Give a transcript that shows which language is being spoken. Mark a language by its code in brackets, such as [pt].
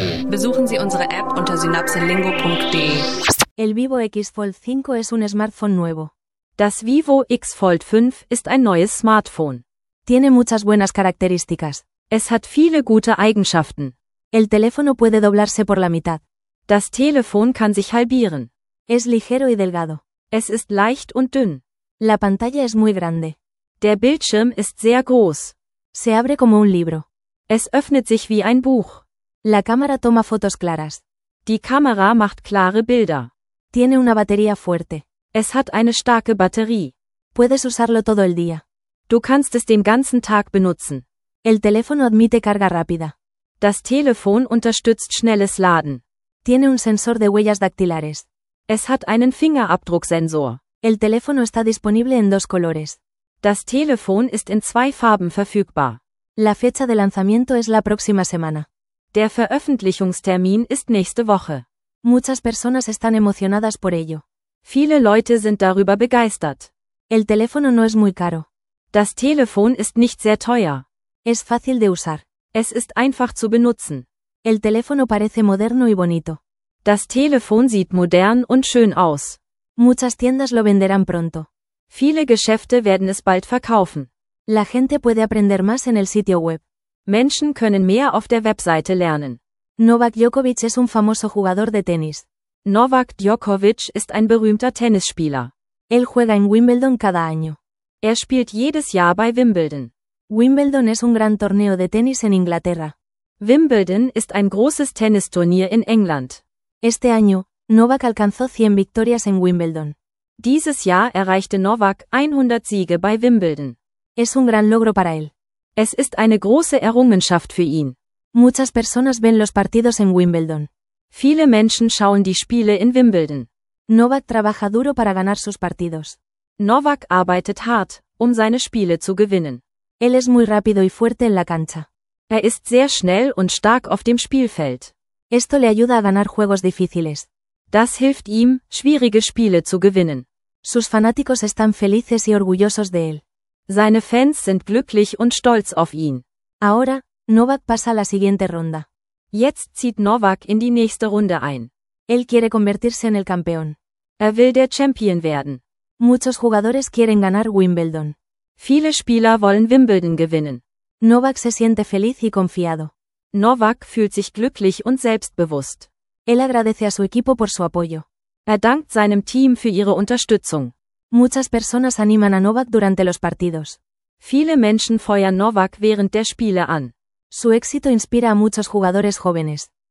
[de] Besuchen Sie unsere App unter synapselingo.de. [es] El Vivo X Fold 5 es un smartphone nuevo. [de] Das Vivo X Fold 5 ist ein neues Smartphone. [es] Tiene muchas buenas características. [de] Es hat viele gute Eigenschaften. [es] El teléfono puede doblarse por la mitad. [de] Das Telefon kann sich halbieren. [es] Es ligero y delgado. [de] Es ist leicht und dünn. [es] La pantalla es muy grande. [de] Der Bildschirm ist sehr groß. [es] Se abre como un libro. [de] Es öffnet sich wie ein Buch. [es] La cámara toma fotos claras. [de] Die Kamera macht klare Bilder. [es] Tiene una batería fuerte. [de] Es hat eine starke Batterie. [es] Puedes usarlo todo el día. [de] Du kannst es den ganzen Tag benutzen. [es] El teléfono admite carga rápida. [de] Das Telefon unterstützt schnelles Laden. [es] Tiene un sensor de huellas dactilares. [de] Es hat einen Fingerabdrucksensor. [es] El teléfono está disponible en dos colores. [de] Das Telefon ist in zwei Farben verfügbar. [es] La fecha de lanzamiento es la próxima semana. [de] Der Veröffentlichungstermin ist nächste Woche. [es] Muchas personas están emocionadas por ello. [de] Viele Leute sind darüber begeistert. [es] El teléfono no es muy caro. [de] Das Telefon ist nicht sehr teuer. [es] Es fácil de usar. [de] Es ist einfach zu benutzen. [es] El teléfono parece moderno y bonito. [de] Das Telefon sieht modern und schön aus. [es] Muchas tiendas lo venderán pronto. [de] Viele Geschäfte werden es bald verkaufen. [es] La gente puede aprender más en el sitio web. [de] Menschen können mehr auf der Webseite lernen. [es] Novak Djokovic es un famoso jugador de tenis. [de] Novak Djokovic ist ein berühmter Tennisspieler. [es] Él juega en Wimbledon cada año. [de] Er spielt jedes Jahr bei Wimbledon. [es] Wimbledon es un gran torneo de tenis en Inglaterra. [de] Wimbledon ist ein großes Tennisturnier in England. [es] Este año, Novak alcanzó 100 victorias en Wimbledon. [de] Dieses Jahr erreichte Novak 100 Siege bei Wimbledon. [es] Es un gran logro para él. [de] Es ist eine große Errungenschaft für ihn. [es] Muchas personas ven los partidos en Wimbledon. [de] Viele Menschen schauen die Spiele in Wimbledon. [es] Novak trabaja duro para ganar sus partidos. [de] Novak arbeitet hart, um seine Spiele zu gewinnen. [es] Él es muy rápido y fuerte en la cancha. [de] Er ist sehr schnell und stark auf dem Spielfeld. [es] Esto le ayuda a ganar juegos difíciles. [de] Das hilft ihm, schwierige Spiele zu gewinnen. [es] Sus fanáticos están felices y orgullosos de él. [de] Seine Fans sind glücklich und stolz auf ihn. [es] Ahora, Novak pasa a la siguiente ronda. [de] Jetzt zieht Novak in die nächste Runde ein. [es] Él quiere convertirse en el campeón. [de] Er will der Champion werden. [es] Muchos jugadores quieren ganar Wimbledon. [de] Viele Spieler wollen Wimbledon gewinnen. [es] Novak se siente feliz y confiado. [de] Novak fühlt sich glücklich und selbstbewusst. [es] Él agradece a su equipo por su apoyo. [de] Er dankt seinem Team für ihre Unterstützung. [es] Muchas personas animan a Novak durante los partidos. [de] Viele Menschen feuern Novak während der Spiele an. [es] Su éxito inspira a muchos jugadores jóvenes.